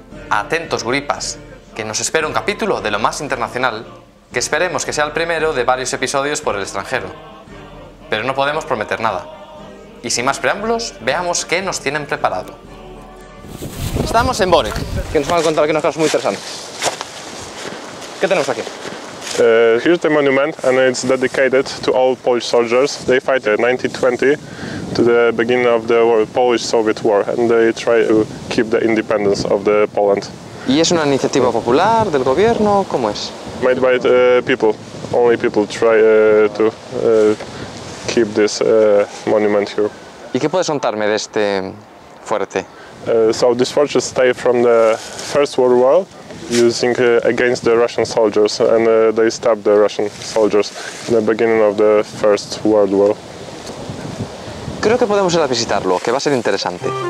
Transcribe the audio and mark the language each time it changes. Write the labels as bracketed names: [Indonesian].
[Spanish] Atentos, guripas, que nos espera un capítulo de lo más internacional, que esperemos que sea el primero de varios episodios por el extranjero. Pero no podemos prometer nada. Y sin más preámbulos, veamos qué nos tienen preparado. Estamos en Borik, que nos van a contar aquí unas cosas muy interesantes. ¿Qué tenemos aquí? [English] Here's the monument, and it's dedicated to all Polish soldiers. They fight in 1920, to the beginning of the Polish-Soviet war, and they try to keep the independence of the Poland. [Spanish] ¿Y es una iniciativa popular del gobierno? ¿Cómo es? [English] Made by the people. Only people try to keep this monument here. [Spanish] ¿Y qué puedes contarme de este fuerte? [English] So this fortress stayed from the First World War, using against the Russian soldiers, and they stopped the Russian soldiers in the beginning of the First World War. [Spanish] Creo que podemos ir a visitarlo, que va a ser interesante.